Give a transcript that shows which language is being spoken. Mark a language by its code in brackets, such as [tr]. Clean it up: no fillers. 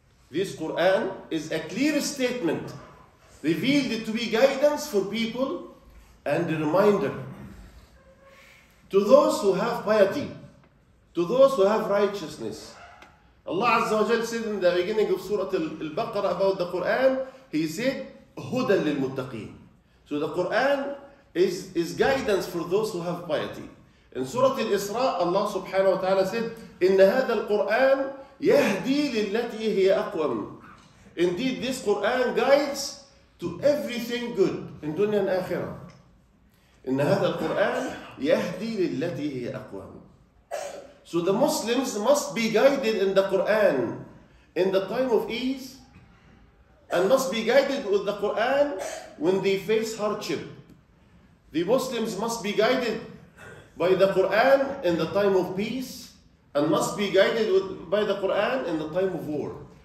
[en] This Quran is a clear statement revealed to be guidance for people and a reminder to those who have piety, to those who have righteousness. Allah Azza wa Jal said in the beginning of Surah Al-Baqarah about the Quran, He said, [ar] هُدَى لِلْمُتَّقِينَ. [en] So the Quran is guidance for those who have piety. In Surah Al-Isra, Allah subhanahu wa ta'ala said, [ar] إن هذا القرآن يهدي للتي هي أقوى. [en] Indeed, this Quran guides to everything good in dunya and akhira. [ar] إن هذا القرآن يهدي للتي هي أقوى. [en] So the Muslims must be guided in the Quran in the time of ease, and must be guided with the Quran when they face hardship. The Muslims must be guided by the Quran in the time of peace, and must be guided by the Quran in the time of war.